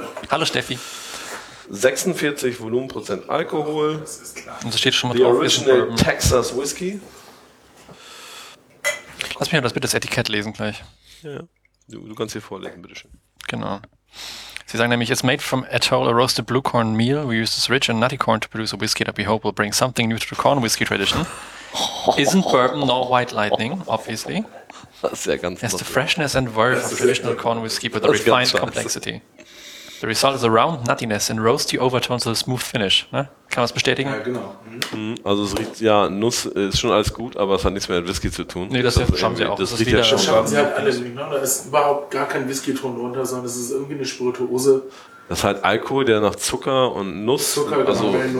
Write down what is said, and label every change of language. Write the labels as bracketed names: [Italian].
[German] Hallo Steffi. 46 Volumenprozent Alkohol. Das ist klar. Und so steht schon mal drauf. [English] The original Texas Whiskey. [German] Lass mich mal das bitte das Etikett lesen gleich. Ja. Du kannst hier vorlesen, bitteschön. Genau. Sie sagen nämlich, [English] it's made from Atoll, a roasted blue corn meal. We use this rich and nutty corn to produce a whiskey that we hope will bring something new to the corn whiskey tradition. Isn't bourbon nor white lightning, obviously. [German] Das ist ja ganz [English] It's the freshness and verve of traditional corn whiskey with a refined complexity. The result is a round nuttiness and roasty overtones with a smooth finish. [German] Ne? Kann man das bestätigen? Ja, genau. Mhm. Also es riecht, ja, Nuss ist schon alles gut, aber es hat nichts mehr mit Whisky zu tun. Nee, das schauen sie auch. Das riecht ja schon. Sie halt alles, ne? Da ist überhaupt gar kein Whisky-Ton drunter, sondern es ist irgendwie eine Spirituose. Das ist halt Alkohol, der nach Zucker und Nuss, Zucker, also Nuss,